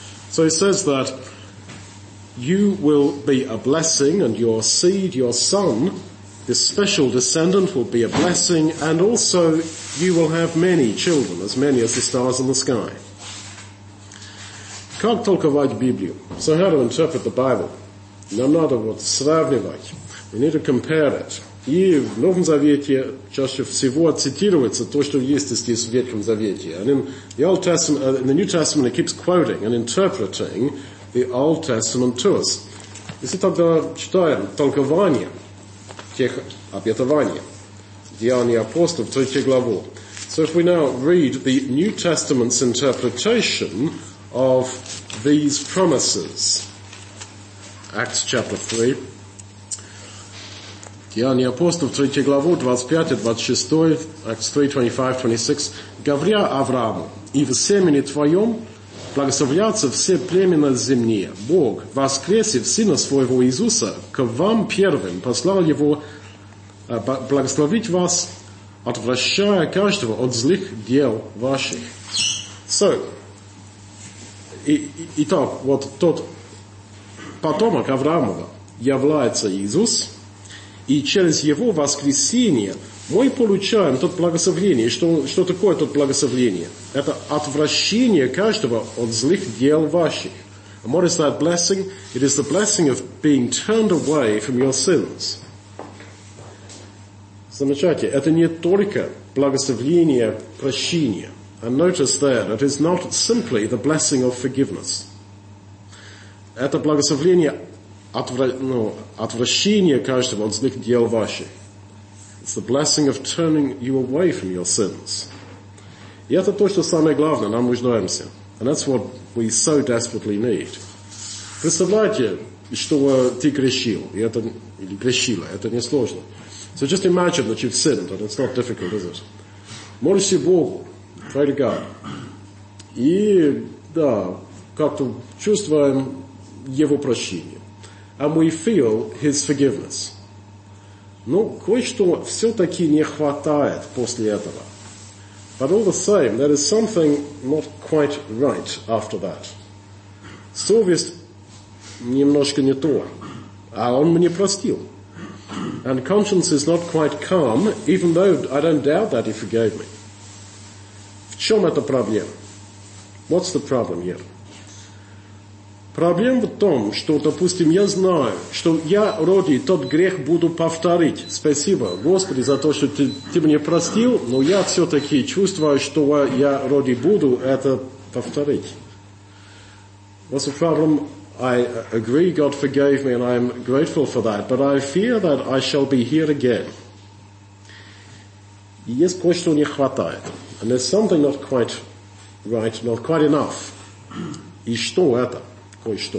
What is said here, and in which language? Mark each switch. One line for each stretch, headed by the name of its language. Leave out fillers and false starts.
English: So he says that you will be a blessing, and your seed, your son, this special descendant, will be a blessing, and also you will have many children, as many as the stars in the sky.
Russian: Как толковать Библию?
English: So how to interpret the Bible?
Russian: Нам надо вот сравнивать.
English: We need to compare it.
Russian: И в Новом Завете чаще всего цитируется то, что есть здесь в Ветхом Завете.
English: And in the Old Testament, in the New Testament, it keeps quoting and interpreting the Old Testament to us.
Russian: Если тогда читаем толкование тех обетований, Деяния апостолов, 3 главу.
English: So if we now read the New Testament's interpretation of these promises, Acts chapter 3,
Russian: Деяния апостолов, 3 главу, 25-26,
English: Acts 3, 25-26,
Russian: говоря Аврааму, и в семени твоем благословляться все племена земные. Бог, воскресив сына своего Иисуса, к вам первым послал его благословить вас, отвращая каждого от злых дел ваших. So, итак, вот тот потомок Авраамова является Иисус, и через его воскресение мы получаем тот благословение. Что такое тот благословение? Это отвращение каждого от злых дел ваших.
English: And what is that blessing? It is the blessing of being turned away from your sins.
Russian: Замечайте, это не только благословение прощения.
English: And notice there, it is not simply the blessing of forgiveness.
Russian: Это благословение отвращение каждого от злых дел ваших.
English: It's the blessing of turning you away from your sins.
Russian: И это то, что самое главное, нам нуждаемся.
English: And that's what we so desperately need.
Russian: Представляете, что ты грешил, или грешила, это несложно.
English: So just imagine that you've sinned, and it's not difficult, is it?
Russian: Молишься Богу,
English: pray to God.
Russian: И, да, как-то чувствуем Его прощение.
English: And we feel His forgiveness.
Russian: Но кое-что все-таки не хватает после этого.
English: But all the same, there is something not quite right after that.
Russian: Совесть немножко не то. А он мне простил.
English: And conscience is not quite calm, even though I don't doubt that he forgave me.
Russian: В чем это проблема?
English: What's the problem here?
Russian: Проблема в том, что, допустим, я знаю, что я, вроде, тот грех буду повторить. Спасибо, Господи, за то, что ты мне простил, но я все-таки чувствую, что я, вроде, буду это повторить.
English: What's the problem? I agree God forgave me and I'm grateful for that, but I fear that I shall be here again.
Russian: Есть кое-что не хватает.
English: And there's something not quite right, not quite enough.
Russian: И что это? Кое-что.